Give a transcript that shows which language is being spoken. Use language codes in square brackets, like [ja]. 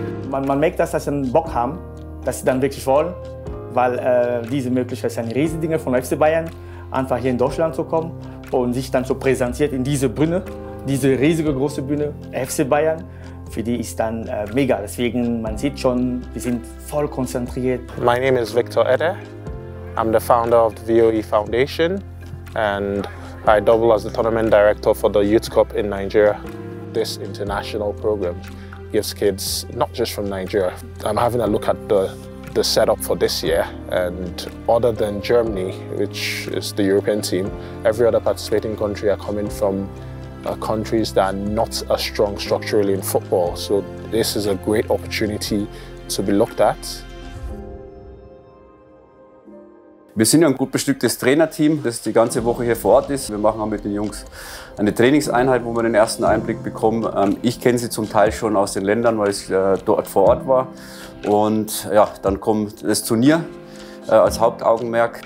[de] Man merkt das, dass sie einen Bock haben, dass sie dann wirklich wollen, weil diese Möglichkeit ist ein Riesendinger von FC Bayern, einfach hier in Deutschland zu kommen und sich dann so präsentiert in diese Bühne, diese riesige große Bühne, FC Bayern. Für die ist dann mega. Deswegen, man sieht schon, wir sind voll konzentriert. [en] My name is Victor Ede. I'm the founder of the VOE Foundation and I double as the tournament director for the Youth Cup in Nigeria. This international program gives kids not just from Nigeria. I'm having a look at the setup for this year, and other than Germany, which is the European team, every other participating country are coming from countries that are not as strong structurally in football. So this is a great opportunity to be looked at. [de] Wir sind ja ein gut bestücktes Trainerteam, das die ganze Woche hier vor Ort ist. Wir machen auch mit den Jungs eine Trainingseinheit, wo wir den ersten Einblick bekommen. Ich kenne sie zum Teil schon aus den Ländern, weil ich dort vor Ort war. Und ja, dann kommt das Turnier als Hauptaugenmerk.